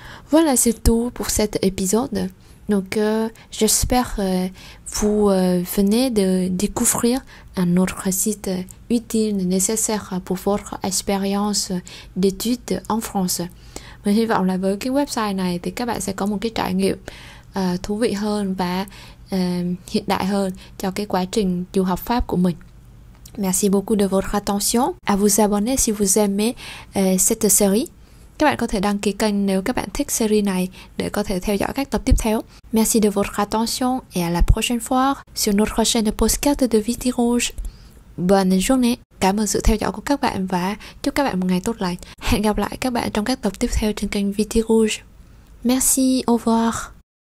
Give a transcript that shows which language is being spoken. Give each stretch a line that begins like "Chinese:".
French: Voilà, c'est tout pour cet épisode. Donc, j'espère que vous venez de découvrir un autre site utile, nécessaire pour votre expérience d'études en France.
Vietnamese: Mình hy vọng là với cái website này thì các bạn sẽ có một cái trải nghiệm thú vị hơn và hiện đại hơn cho cái quá trình du học Pháp của mình.
French: Merci beaucoup de votre attention. À vous abonner si vous aimez cette série.
Vietnamese: Các bạn có thể đăng ký kênh nếu các bạn thích series này để có thể theo dõi các tập tiếp theo.
French: Merci de votre attention et à la prochaine fois sur notre chaîne podcast de Viti Rouge. Bonne journée.
Vietnamese: Cảm ơn sự theo dõi của các bạn và chúc các bạn một ngày tốt lành. Hẹn gặp lại các bạn trong các tập tiếp theo trên kênh Viti Rouge.
French: Merci, au revoir.